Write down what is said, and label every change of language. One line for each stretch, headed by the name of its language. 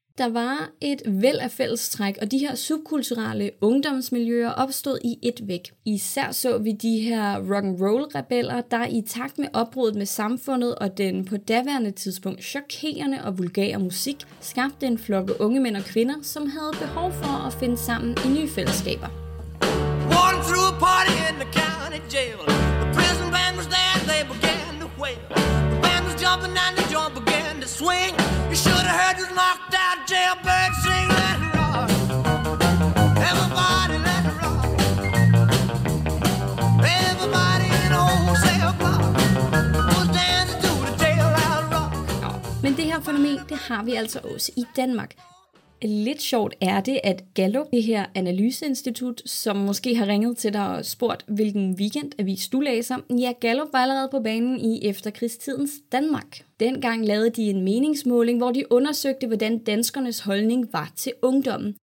Danish: Der var et væld af fællestræk, og de her subkulturelle ungdomsmiljøer opstod i et væk. Især så vi de her rock'n'roll-rebeller, der i takt med oprådet med samfundet og den på daværende tidspunkt chokerende og vulgære musik, skabte en flokke unge mænd og kvinder, som havde behov for at finde sammen i nye fællesskaber.
English: One threw a party in the county jail. The prison band was there, they began to wail. The band was jumping and the joint began to swing. You should have heard this knocked out jailbird sing, let it rock. Everybody let it rock. Everybody in old cell block was dancing to the jailhouse rock.
Danish: Men det her fænomen, det har vi altså også i Danmark. Lidt sjovt er det, at Gallup, det her analyseinstitut, som måske har ringet til dig og spurgt, hvilken weekendavis du læser, ja, Gallup var allerede på banen i efterkrigstidens Danmark. Dengang lavede de en meningsmåling, hvor de undersøgte, hvordan danskernes holdning var til ungdommen.